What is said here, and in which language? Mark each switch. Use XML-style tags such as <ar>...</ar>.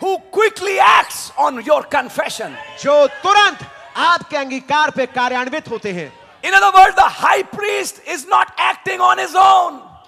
<en>who quickly acts on your confession,</en> <hi>जो तुरंत आपके अंगीकार पे कार्यान्वित होते हैं.</hi> <en>In other words, the high priest is not acting on his own.</en>